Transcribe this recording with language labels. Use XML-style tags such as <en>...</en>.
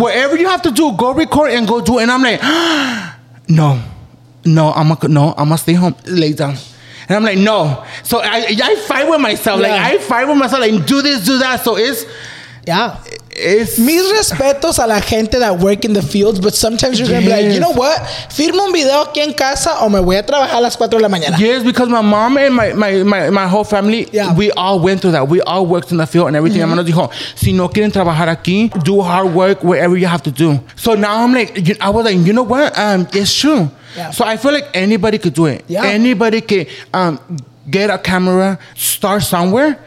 <en>Whatever you have to do, go record and go do it. And I'm like, no. I'm gonna stay home. Lay down. And I'm like, no. So I fight with myself. Yeah. Like, I fight with myself. Like, do this, do that. So it's... Yeah. It's,</en> <es>mis respetos a la gente</es> <en>that work in the fields, but sometimes you're gonna be like, you know what?</en> <es>Firmo un video aquí en casa o me voy a trabajar a las 4 de la mañana.</es> <en>Yes, because my mom and my whole family, yeah. we all went through that. We all worked in the field and everything. Mm-hmm.</en> <es>Mamá nos dijo, si no quieren trabajar aquí,</es> <en>do hard work wherever you have to do. So now I'm like, I was like, you know what? It's true. Yeah. So I feel like anybody could do it. Yeah. Anybody can get a camera, start somewhere,</en>